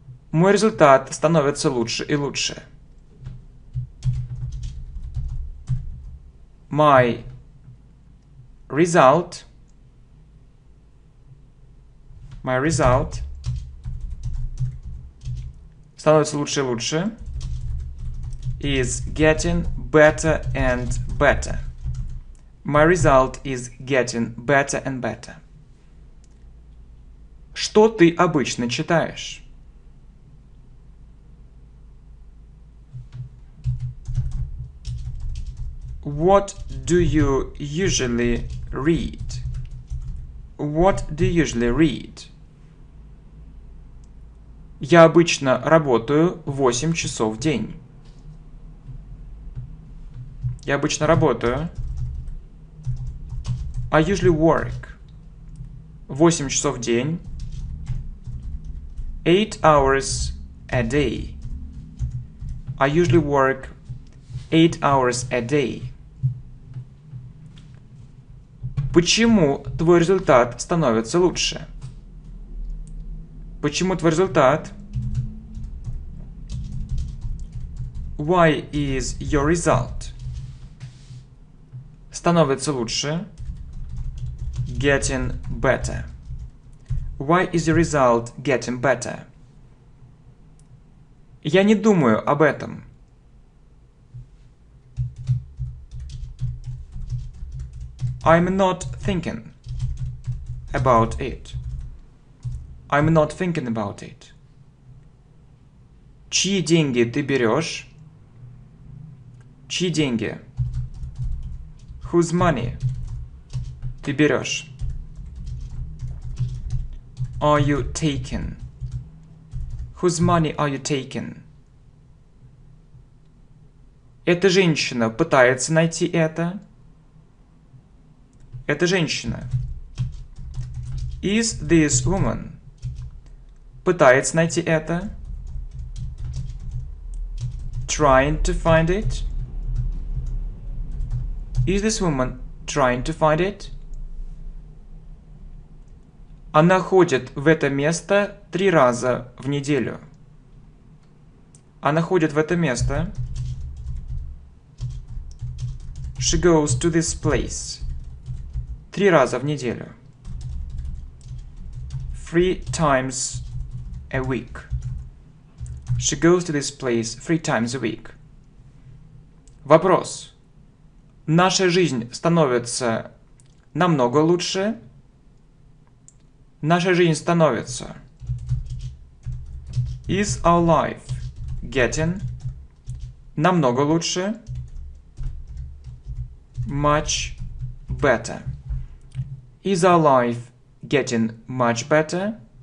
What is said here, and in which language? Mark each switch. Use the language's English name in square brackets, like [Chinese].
[Russian] Мой результат становится лучше и лучше. [English] My result. My result. [Russian] Становится лучше и лучше. [English] Is getting better and better. My result is getting better and better. [Russian] Что ты обычно читаешь? [English] What do you usually read? What do you usually read? [Russian] Я обычно работаю 8 часов в день. Я обычно работаю. [English] I usually work 8 [Russian] часов в день. [English] 8 hours a day. I usually work 8 hours a day. [Russian] Почему твой результат становится лучше? Почему твой результат? [English] Why is your result? [Russian] Становится лучше. [English] Getting better. Why is your result getting better? [Russian] Я не думаю об этом. [English] I'm not thinking about it. I'm not thinking about it. [Russian] Чьи деньги ты берешь? Чьи деньги? [English] Whose money [Russian] ты берешь? [English] Are you taking? Whose money are you taking? [Russian] Эта женщина пытается найти это. Эта женщина. [English] Is this woman? [Russian] Пытается найти это. [English] Trying to find it. Is this woman trying to find it? [Russian] Она ходит в это место 3 раза в неделю. Она ходит в это место. [English] She goes to this place. [Russian] 3 раза в неделю. [English] 3 times a week. She goes to this place 3 times a week. [Russian] Вопрос. Наша жизнь становится намного лучше. Наша жизнь становится. [English] Is our life getting [Russian] намного лучше? [English] Much better. Is our life getting much better?